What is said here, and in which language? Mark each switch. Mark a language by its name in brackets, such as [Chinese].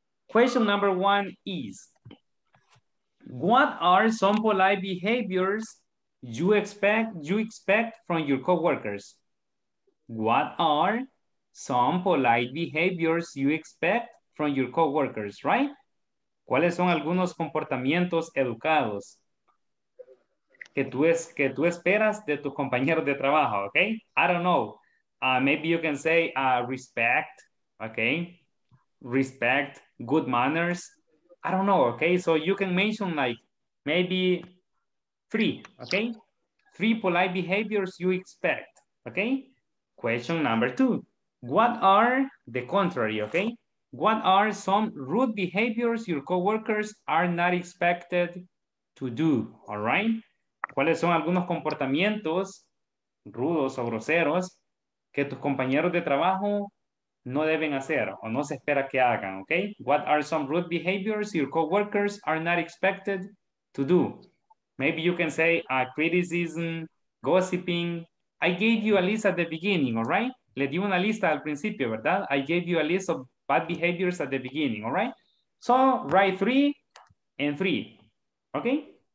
[English] Question number one is, what are some polite behaviors you expect from your coworkers? What are some polite behaviors you expect from your coworkers, right? [Spanish] ¿Cuáles son algunos comportamientos educados que tú esperas de tus compañeros de trabajo, okay? [English] I don't know. Maybe you can say respect, okay? Respect, good manners. I don't know, okay? So you can mention like maybe three, okay? Three polite behaviors you expect, okay? Question number two. What are the contrary, okay? What are some rude behaviors your coworkers are not expected to do, all right? [Spanish] ¿Cuáles son algunos comportamientos rudos o groseros que tus compañeros de trabajo no deben hacer o no se espera que hagan, okay? [English] What are some rude behaviors your coworkers are not expected to do? Maybe you can say criticism, gossiping. I gave you a list at the beginning, all right? [Spanish] Le di una lista al principio, ¿verdad? [English] I gave you a list of bad behaviors at the beginning, all right? So write three and three, okay?